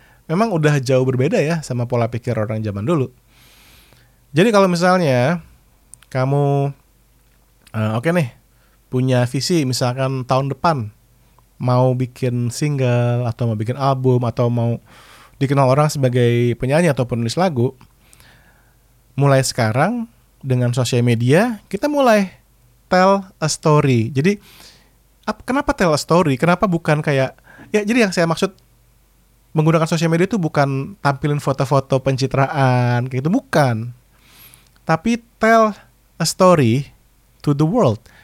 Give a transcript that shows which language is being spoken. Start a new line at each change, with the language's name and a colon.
Indonesian: Memang udah jauh berbeda ya sama pola pikir orang zaman dulu. Jadi kalau misalnya kamu punya visi misalkan tahun depan mau bikin single atau mau bikin album atau mau dikenal orang sebagai penyanyi atau penulis lagu, mulai sekarang dengan sosial media kita mulai
English: tell a story.
Indonesian: Jadi kenapa
English: tell a story?
Indonesian: Kenapa bukan kayak, ya jadi yang saya maksud menggunakan sosial media itu bukan tampilin foto-foto pencitraan kayak gitu, bukan. Tapi
English: tell a story to the world.